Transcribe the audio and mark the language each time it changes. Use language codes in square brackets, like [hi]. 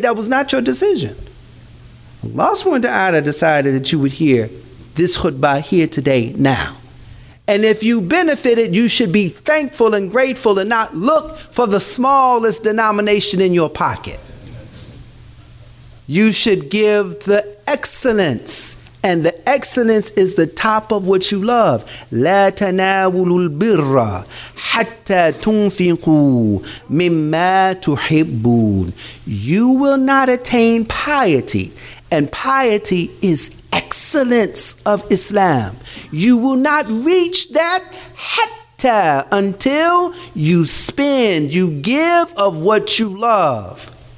[en] That was not your decision. Allah subhanahu wa ta'ala decided that you would hear this khutbah here today, now. And if you benefited, you should be thankful and grateful and not look for the smallest denomination in your pocket. You should give the excellence and the excellence is the top of what you love. [ar] لا تناولوا البر حتى تنفقوا مما تحبون. [en] You will not attain piety, and piety is excellence of Islam. You will not reach that hatta until you spend, you give of what you love.